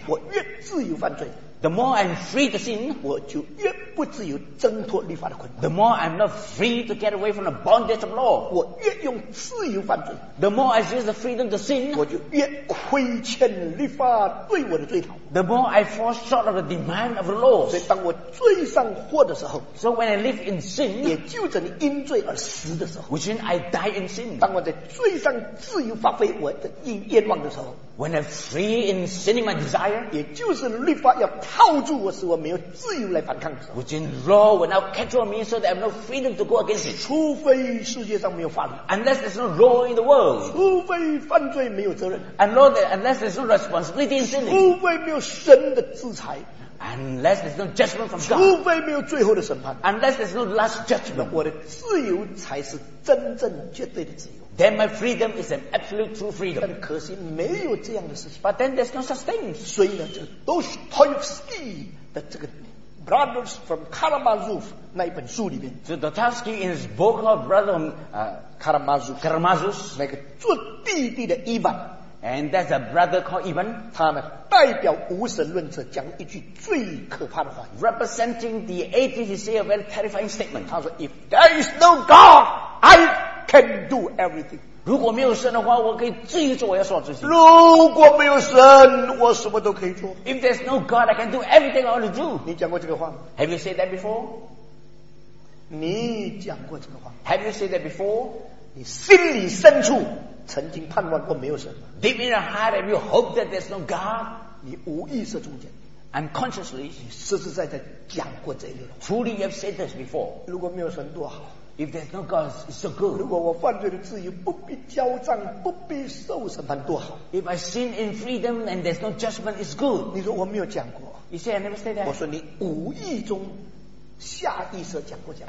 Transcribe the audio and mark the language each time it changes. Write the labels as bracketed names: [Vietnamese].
[Chinese] 我越自由犯罪， [English] The more I'm free to sin, [Chinese] 我就越不自由挣脱律法的捆绑。 [English] The more I'm not free to get away from the bondage of law, [Chinese] 我越用自由犯罪。 [English] The more I use the freedom to sin, [Chinese] 我就越亏欠律法对我的追讨。 [English] The more I fall short of the demand of the law, [Chinese] 所以当我罪上祸的时候 [English] ，So when I live in sin, [Chinese] 也就着你因罪而死的时候 [English] ，Which means I die in sin, [Chinese] 当我在罪上自由发挥我的愿望的时候。 [English] When I'm free in sinning my desire, [Chinese] 也就是律法要套住我，使我没有自由来反抗的时候。 [English] Which in law will now catch me so that I have no freedom to go against it. [Chinese] 除非世界上没有法律。 [English] Unless there's no law in the world. [Chinese] 除非犯罪没有责任。 [English] And law that unless there's no responsibility in sinning. [Chinese] 除非没有神的制裁。 [English] Unless there's no judgment from God. [Chinese] 除非没有最后的审判。 [English] Unless there's no last judgment. [Chinese] 我的自由才是真正绝对的自由。 [English] Then my freedom is an absolute true freedom. [Chinese] 但可惜没有这样的事情。 [English] But then there's no such thing. [Chinese] 所以呢，这Dostoevsky的这个 Brothers from Karamazov 那一本书里面 [English] ，So Dostoevsky in his book called Brothers from Karamazov [Chinese] 那个做弟弟的 Ivan。 [English] And that's a brother called Ivan. [Chinese] 他呢代表无神论者讲一句最可怕的话 [English] ，representing the atheist, he said a very terrifying statement. [Chinese] 他说 [English] ，If there is no God, I can do everything. [Chinese] 如果没有神的话，我可以自己做我要做的事情。如果没有神，我什么都可以做。 [English] If there's no God, I can do everything I want to do. [Chinese] 你讲过这个话吗 [English] ？Have you said that before? [Chinese] 你讲过这个话 [English] ？Have you said that before? [Chinese] 你心里深处。曾经盼望过没有神。 [English] Deep in your heart, have you hoped that there's no God? [Chinese] 你无意识中间 [English] ，unconsciously， [Chinese] 你实实在在讲过这一句。 [English] Truly, you've said this before. [Chinese] 如果没有神多好。 [English] If there's no God, it's so good. [Chinese] 如果我犯罪的自由不必交账，不必受审判，多好。 [English] If I sin in freedom and there's no judgment, it's good. [Chinese] 你说我没有讲过。 [English] You say I never said that. [Chinese] 我说你无意中下意识讲过讲。